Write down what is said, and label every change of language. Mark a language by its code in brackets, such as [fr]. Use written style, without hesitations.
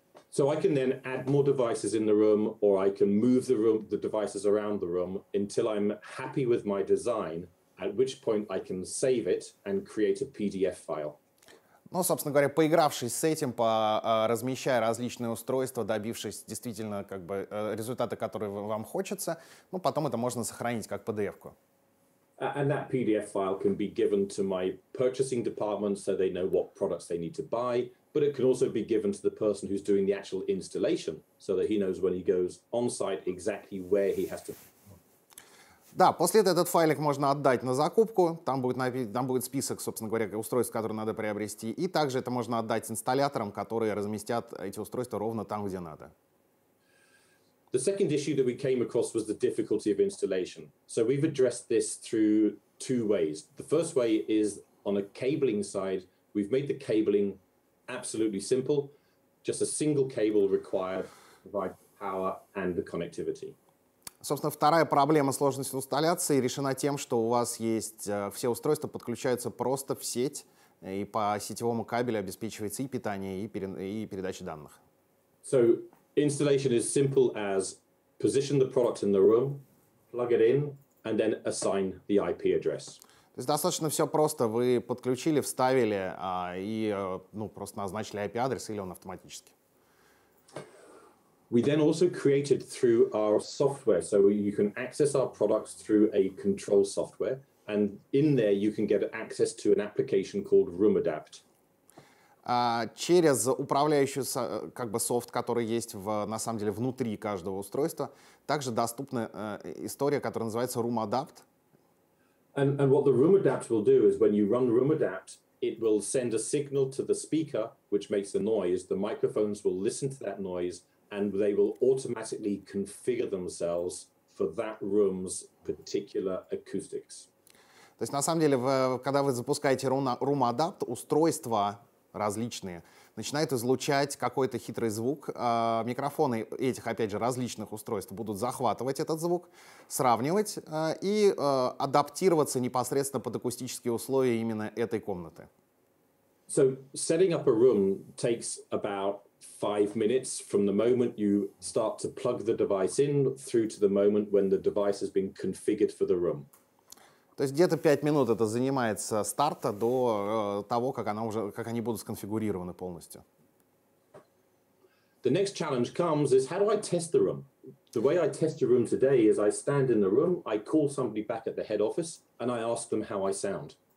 [en] So I can then add more devices in the room, or I can move the room, the devices around the room until I'm happy with my design, at which point I can save it and create a PDF file. [ru] Ну, собственно говоря, поигравшись с этим, размещая различные устройства, добившись действительно как бы результата, который вам хочется, ну, потом это можно сохранить как PDF-ку. [en] And that PDF file can be given to my purchasing department so they know what products they need to buy, but it can also be given to the person who's doing the actual installation so that he knows when he goes on site exactly where he has to. [ru] Да, после этого этот файлик можно отдать на закупку, там будет список, собственно говоря, устройств, которые надо приобрести, и также это можно отдать инсталляторам, которые разместят эти устройства ровно там, где надо. [en] The second issue that we came across was the difficulty of installation. So we've addressed this through two ways. The first way is on a cabling side, we've made the cabling absolutely simple. Just a single cable required to provide power and the connectivity. [ru] Собственно, вторая проблема сложности инсталляции решена тем, что у вас есть все устройства подключаются просто в сеть, и по сетевому кабелю обеспечивается и питание, и передача данных. [en] So installation is simple as position the product in the room, plug it in, and then assign the IP address. [ru] То есть достаточно все просто. Вы подключили, вставили и ну, просто назначили IP-адрес, или он автоматически. [en] We then also created through our software, so you can access our products through a control software, and in there you can get access to an application called Room Adapt. [ru] Через управляющий как бы софт, который есть в, на самом деле внутри каждого устройства, также доступна история, которая называется Room Adapt. [en] And what the Room Adapt will do is when you run Room Adapt, it will send a signal to the speaker, which makes the noise, the microphones will listen to that noise, and they will automatically configure themselves for that room's particular acoustics. [ru] То есть, на самом деле, когда вы запускаете Room Adapt, устройства различные начинают излучать какой-то хитрый звук. Микрофоны этих, опять же, различных устройств будут захватывать этот звук, сравнивать и адаптироваться непосредственно под акустические условия именно этой комнаты. [en] So, setting up a room takes about 5 minutes from the moment you start to plug the device in through to the moment when the device has been configured for the room. [ru] То есть где-то 5 минут это занимает со старта до того, как она уже, как они будут сконфигурированы полностью. [en] The next challenge comes is how do I test the room? The way I test your room today is I stand in the room, I call somebody back at the head office and I ask them how I sound.